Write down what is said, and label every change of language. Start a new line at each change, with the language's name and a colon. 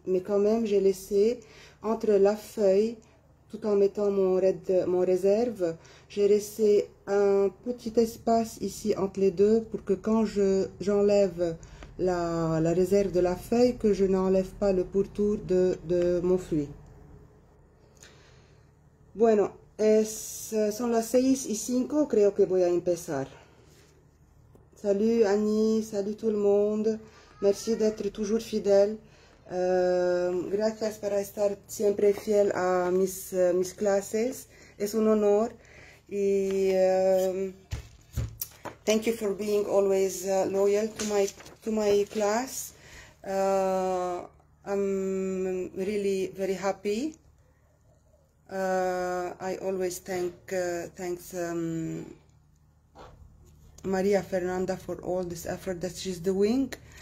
French: Mais quand même j'ai laissé entre la feuille, tout en mettant mon réserve, j'ai laissé un petit espace ici entre les deux pour que quand j'enlève la réserve de la feuille, que je n'enlève pas le pourtour de mon fruit.
Spanish: Bueno, son las 6:05, creo que voy a empezar.
French: Salut Annie, salut tout le monde, merci d'être toujours fidèle.
Spanish: Gracias por estar siempre fiel a mis clases, es un honor.
English: Y thank you for being always loyal to my class. I'm really very happy. I always thanks Maria Fernanda for all this effort that she's doing.